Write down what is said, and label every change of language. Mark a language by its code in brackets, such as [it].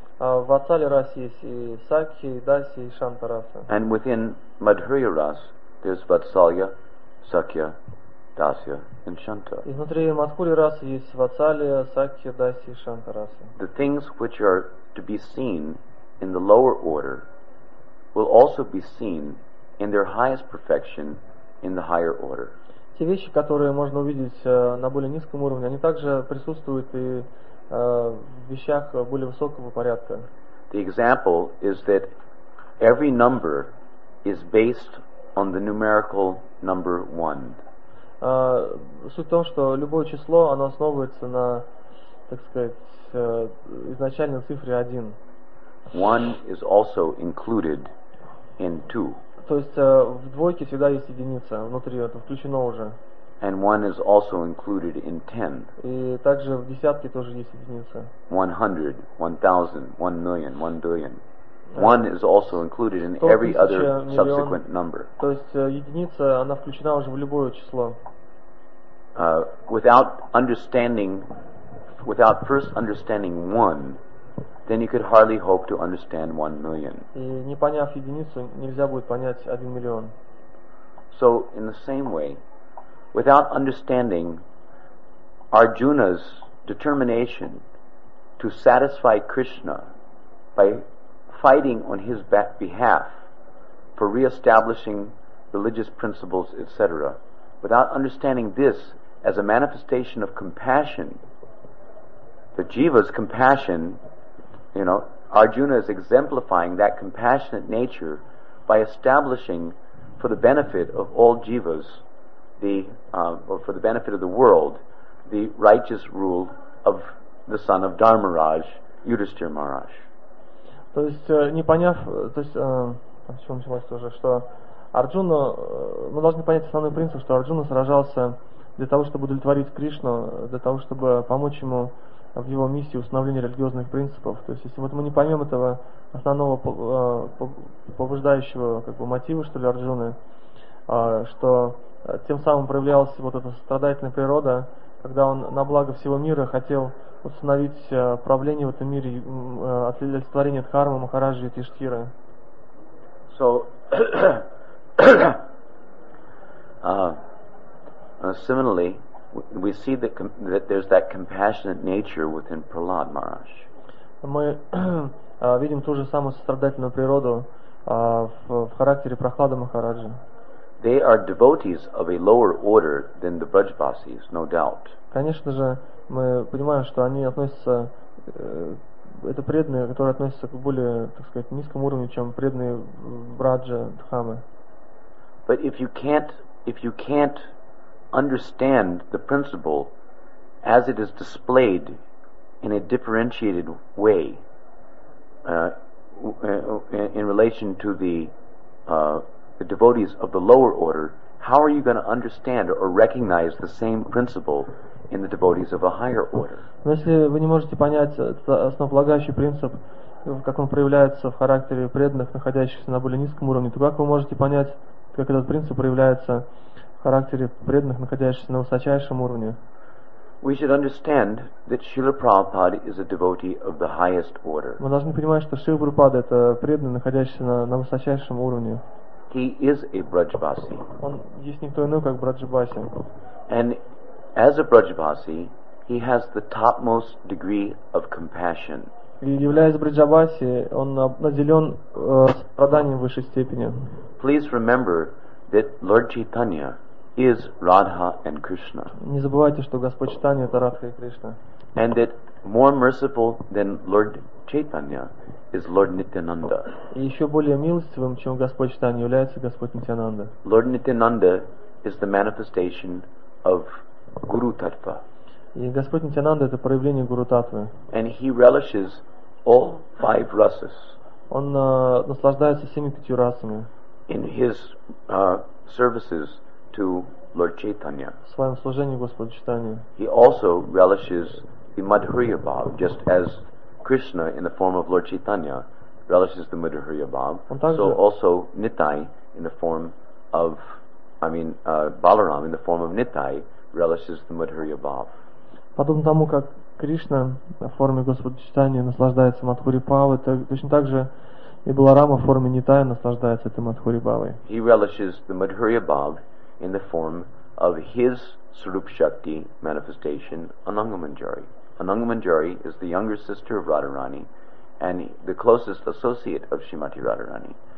[ru] В Ацале Расе есть и Сакхи, и Даси, и Шанта Раса. [en] And within Madhurya Ras, there's Vatsalya, Sakya, Dasya and Shanta. [ru] Изнутри Мадхури расы есть Вацалия, Сакья, Дасья и Шанта расы. [en] The things which are to be seen in the lower order will also be seen in their highest perfection in the higher order. [ru] Те вещи, которые можно увидеть на более низком уровне, они также присутствуют и в вещах более высокого порядка. [en] The example is that every number is based on the numerical number one. [ru] Суть в том, что любое число, оно основывается на, так сказать, изначальной цифре один. [en] One is also included in two. [ru] То есть в двойке всегда есть единица внутри, это включено уже. [en] And one is also included in ten. [ru] И также в десятке тоже есть единица. [en] 100, 1000, 1 million, 1 billion. One is also included in every other subsequent number. [ru] То есть единица, она включена уже в любое число. [en] Without first understanding one, then you could hardly hope to understand 1 million. [ru] И не поняв единицу, нельзя будет понять 1 миллион. [en] So in the same way, without understanding Arjuna's determination to satisfy Krishna by fighting on his behalf for re-establishing religious principles, etc. Without understanding this as a manifestation of compassion, the jiva's compassion, you know, Arjuna is exemplifying that compassionate nature by establishing for the benefit of all jivas, for the benefit of the world, the righteous rule of the son of Dharmaraj, Yudhisthira Maharaj. [ru] То есть, не поняв, то есть, там с чего началось тоже, что Арджуна, мы должны понять основной принцип, что Арджуна сражался для того, чтобы удовлетворить Кришну, для того, чтобы помочь ему в его миссии установления религиозных принципов. То есть, если вот мы не поймем этого основного побуждающего как бы мотива, что ли, Арджуны, что тем самым проявлялась вот эта страдательная природа, когда он на благо всего мира хотел установить правление в этом мире, олицетворение Дхармы, Махараджи и Тиштхиры. [en] So, similarly, we see that there's that compassionate nature within Prahlad Maharaj. [ru] Мы видим ту же самую сострадательную природу в характере Прахлада Махараджи. [en] They are devotees of a lower order than the Brajvasis, no doubt. [ru] Конечно же, мы понимаем, что они относятся, это преданные, которые относятся к более, так сказать, низкому уровню, чем преданные Браджа Дхамы. [en] But if you can't understand the principle as it is displayed in a differentiated way in relation to the devotees of the lower order, how are you going to understand or recognize the same principle in the devotees of a higher order? [ru] Если вы не можете понять основополагающий принцип, как он проявляется в характере преданных, находящихся на более низком уровне, то как вы можете понять, как этот принцип проявляется в характере преданных, находящихся на высочайшем уровне? [en] We should understand that Srila Prabhupada is a devotee of the highest order. [ru] Мы должны понимать, что Шрила Прабхупада это преданный, находящийся на высочайшем уровне. [en] He is a Brajvasi. [ru] Он есть никто иной, как Брадж-баси. [en] And as a Brajvasi, he has the topmost degree of compassion. [ru] И являясь Брадж-баси, он наделен страданием высшей степени. [en] Please remember that Lord Chaitanya is Radha and Krishna. [ru] Не забывайте, что Господь Чайтанья это Радха и Кришна. [en] And that more merciful than Lord Chaitanya is Lord Nityananda. [ru] И еще более милостивым, чем Господь Чайтанья, является Господь Нитянанда. [en] Lord Nityananda is the manifestation of Guru Tattva. [ru] И Господь Нитянанда это проявление Гуру Таттвы. [en] And he relishes all five rasas. [ru] Он наслаждается всеми пятью расами. [en] In his services to Lord Chaitanya. [ru] В своем служении Господу Чайтанья. [en] He also relishes the Madhurya Bhav, just as Krishna in the form of Lord Chaitanya relishes the Madhurya Bhav. So also Nittai in the form of, Balaram in the form of Nittai relishes the Madhurya Bhav. [ru] Подобно тому, как Кришна в форме Господа Чайтанья наслаждается Мадхури Бхавой, точно так же и Баларама в форме Нитая наслаждается этой Мадхури Бхавой. [en] He relishes the Madhurya Bhav in the form of his Swarup Shakti manifestation, Ananga Manjari. Ananga Manjari is the younger sister of Radharani and the closest associate of Srimati Radharani.